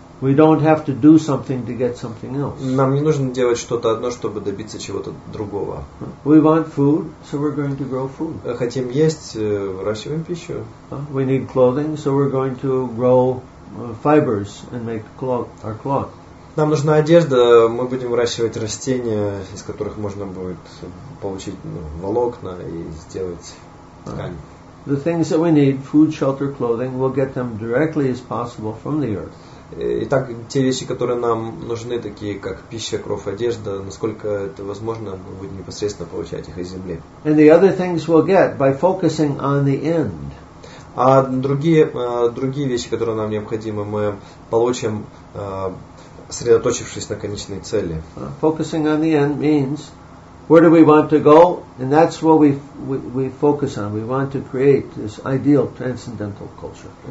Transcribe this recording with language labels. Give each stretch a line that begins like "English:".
English: We don't have to do something to get something else.
Russian: Нам не нужно делать что-то одно, чтобы добиться чего-то другого.
English: We want food, so we're going to grow food.
Russian: Хотим есть, выращиваем пищу.
English: We need clothing, so we're going to grow fibers and make our cloth.
Russian: Нам нужна одежда, мы будем выращивать растения, из которых можно будет получить, ну, волокна и сделать ткань.
English: The things that we need, food, shelter, clothing, we'll get them directly as possible from the earth.
Russian: Итак, те вещи, которые нам нужны, такие как пища, кровь, одежда, насколько это возможно, мы будем непосредственно получать их из земли.
English: And the other things we'll get by focusing on the end.
Russian: А другие вещи, которые нам необходимы, мы получим, сосредоточившись на конечной цели.
English: Focusing on the end means, where do we want to go? And that's what we focus on. We want to create this ideal transcendental culture.